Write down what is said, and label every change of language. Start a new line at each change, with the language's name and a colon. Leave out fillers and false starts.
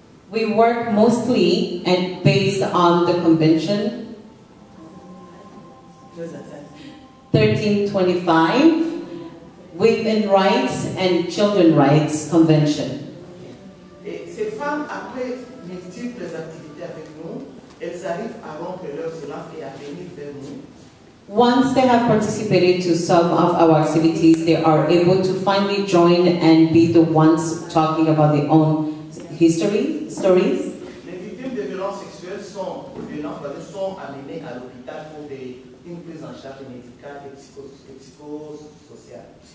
English: We work mostly and based on the convention 1325, Women Rights and Children Rights Convention.
French: Ces femmes, après multiples activités avec nous, elles arrivent à rompre leur silence et à venir vers nous.
English: Once they have participated to some of our activities, they are able to finally join and be the ones talking about their own history, stories.
French: Les victimes de violences sexuelles sont amenées à l'hôpital pour une prise en charge médicale et psychosociale.